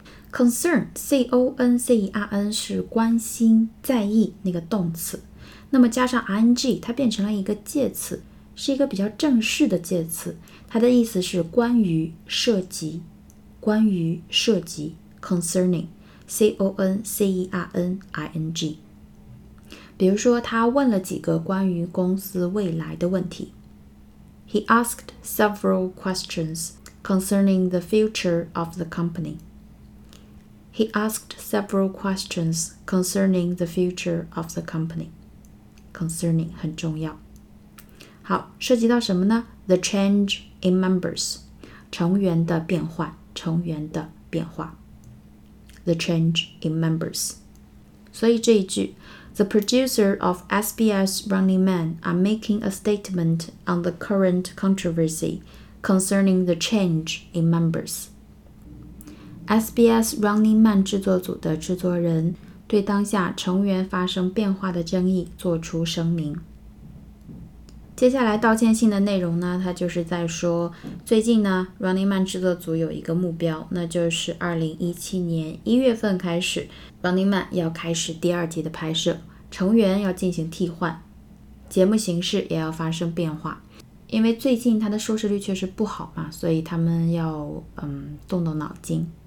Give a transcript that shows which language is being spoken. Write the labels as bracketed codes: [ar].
[zh] concern, C-O-N-C-E-R-N 是关心在意那个动词，那么加上 ing 它变成了一个介词，是一个比较正式的介词，它的意思是关于涉及，关于涉及 concerning, C-O-N-C-E-R-N-I-N-G。比如说他问了几个关于公司未来的问题。 [en] He asked several questions concerning the future of the company. He asked several questions concerning the future of the company. [zh] Concerning 很重要。好，涉及到什么呢？ [en] The change in members, [zh] 成员的变化，成员的变化。 [en] The change in members. [zh] 所以这一句 [en] The producer of SBS Running Man are making a statement on the current controversy concerning the change in members. [zh] SBS Running Man 制作组的制作人对当下成员发生变化的争议做出声明。接下来道歉信的内容呢，他就是在说最近呢 Running Man 制作组有一个目标，那就是2017年1月份开始 Running Man 要开始第二季的拍摄，成员要进行替换，节目形式也要发生变化，因为最近他的收视率确实不好嘛，所以他们要动动脑筋。